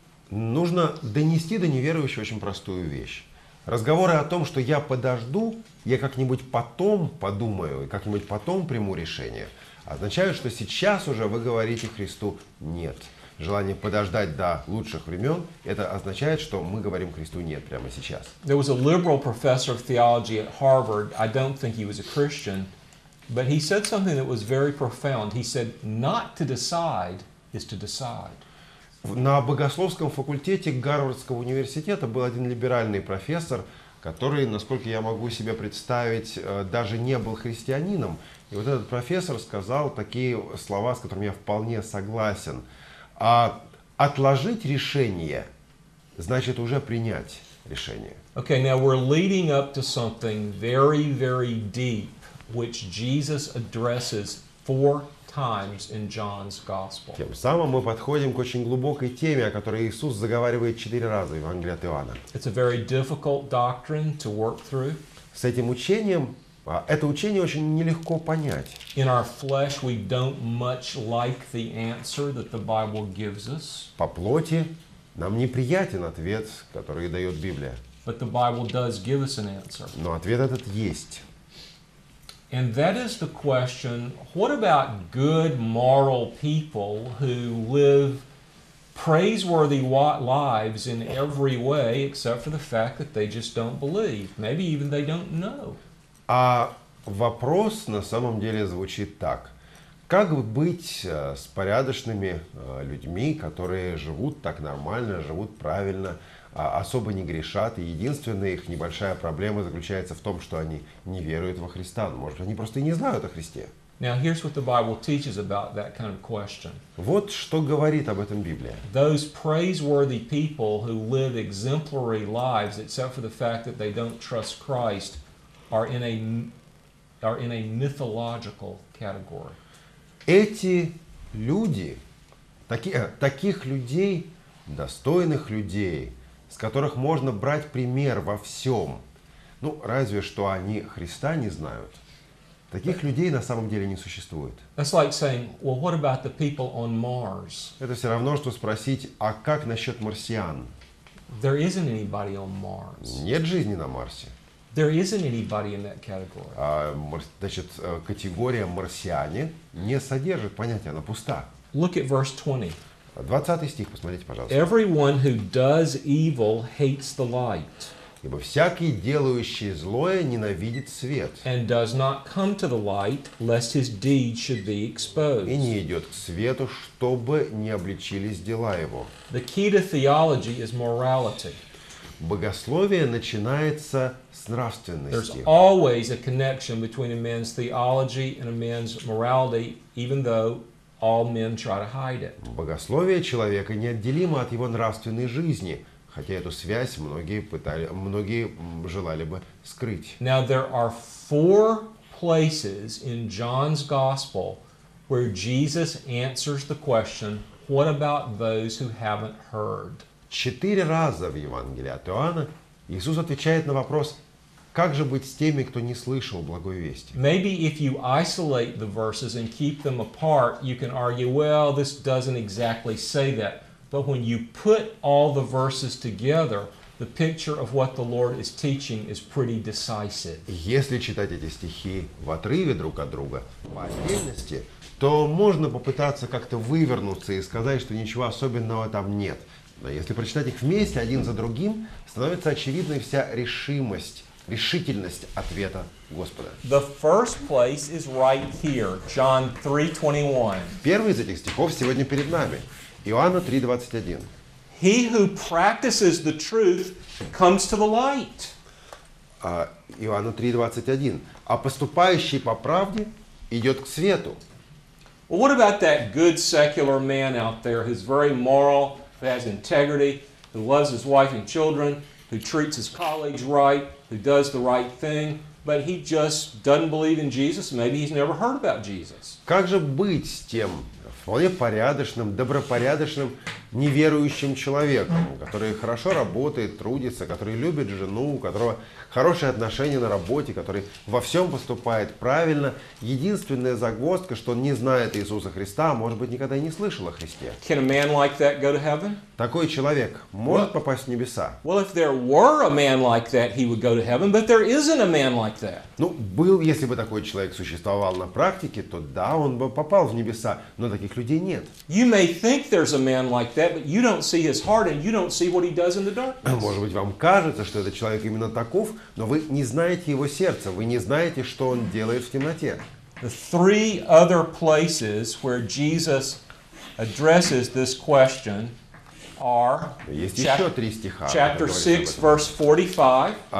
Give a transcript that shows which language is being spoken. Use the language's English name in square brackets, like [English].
[Russian] Нужно донести до неверующего очень простую вещь. Разговоры о том, что я подожду, я как-нибудь потом подумаю, как-нибудь потом приму решение, означают, что сейчас уже вы говорите Христу «нет». Желание подождать до лучших времен, это означает, что мы говорим Христу «нет» прямо сейчас. [English] There was a liberal professor of theology at Harvard. I don't think he was a Christian, but he said something that was very profound. He said, not to decide is to decide. [Russian] На богословском факультете Гарвардского университета был один либеральный профессор, который, насколько я могу себе представить, даже не был христианином. И вот этот профессор сказал такие слова, с которыми я вполне согласен. А отложить решение значит уже принять решение. [English] Okay, now we're leading up to something very, very deep, which Jesus addresses four times in John's gospel. [Russian] Тем самым мы подходим к очень глубокой теме, о которой Иисус заговаривает 4 раза в Евангелии от Иоанна. [English] It's a very difficult doctrine to work through. [Russian] С этим учением это учение очень нелегко понять. [English] In our flesh we don't much like the answer that the Bible gives us. [Russian] По плоти нам неприятен ответ, который дает Библия. [English] But the Bible does give us an answer. [Russian] Но ответ этот есть. [English] And that is the question, what about good moral people who live praiseworthy lives in every way except for the fact that they just don't believe? Maybe even they don't know. [Russian] А вопрос на самом деле звучит так. Как быть с порядочными людьми, которые живут так нормально, живут правильно, особо не грешат, и единственная их небольшая проблема заключается в том, что они не веруют во Христа. Может, они просто и не знают о Христе. [English] Now, here's what the Bible teaches about that kind of question. [Russian] Вот что говорит об этом Библия. [English] Those praiseworthy people who live exemplary lives, except for the fact that they don't trust Christ, are in a mythological category. [Russian] Эти люди, таких людей, достойных людей, с которых можно брать пример во всем, ну, разве что они Христа не знают, таких людей на самом деле не существует. [English] That's like saying, well, what about the people on Mars? [Russian] Это все равно, что спросить, а как насчет марсиан? [English] There isn't anybody on Mars. [Russian] Нет жизни на Марсе. [English] There isn't anybody in that category. [Russian] Значит, категория марсиане не содержит понятия, она пуста. [English] Look at verse 20. [Russian] 20 стих, посмотрите, пожалуйста. [English] Everyone who does evil hates the light. [Russian] Ибо всякий, делающий злое, ненавидит свет. [English] And does not come to the light, lest his deeds should be exposed. [Russian] И не идет к свету, чтобы не обличились дела его. [English] The key to theology is morality. [Russian] Богословие начинается с нравственности. [English] There's always a connection between a man's theology and a man's morality, even though all men try to hide it. [Russian] Богословие человека неотделимо от его нравственной жизни, хотя эту связь многие желали бы скрыть. [English] Now there are four places in John's Gospel where Jesus answers the question, "What about those who haven't heard?" [Russian] Четыре раза в Евангелии от Иоанна Иисус отвечает на вопрос, как же быть с теми, кто не слышал благой вести. [English] Maybe if you isolate the verses and keep them apart, you can argue, well, this doesn't exactly say that. But when you put all the verses together, the picture of what the Lord is teaching is pretty decisive. [Russian] Если читать эти стихи в отрыве друг от друга, по отдельности, то можно попытаться как-то вывернуться и сказать, что ничего особенного там нет. Но если прочитать их вместе, один за другим, становится очевидной вся решительность ответа Господа. [English] The first place is right here, John 3:21. [Russian] Первый из этих стихов сегодня перед нами. Иоанна 3:21. [English] He who practices the truth comes to the light. [Russian] Иоанна 3:21. А поступающий по правде идет к свету. [English] Well, what about that good secular man out there who's very moral, who has integrity, who loves his wife and children, who treats his colleagues right, who does the right thing, but he just doesn't believe in Jesus, maybe he's never heard about Jesus. [Russian] Как же быть с тем вполне порядочным, добропорядочным, неверующим человеком, который хорошо работает, трудится, который любит жену, у которого хорошие отношения на работе, который во всем поступает правильно. Единственная загвоздка, что он не знает Иисуса Христа, а может быть, никогда и не слышал о Христе. [English] Can a man like that go to heaven? [Russian] Такой человек может попасть в небеса? [English] Well, if there were a man like that, he would go to heaven, but there isn't a man like that. [Russian] Ну, был, если бы такой человек существовал на практике, то да, он бы попал в небеса, но таких людей нет. [English] You may think there's a man like that, but you don't see his heart and you don't see what he does in the darkness. [Russian] Может быть, вам кажется, что этот человек именно таков, но вы не знаете его сердца, вы не знаете, что он делает в темноте. [English] The three other places where Jesus addresses this question are chapter 6, verse 45,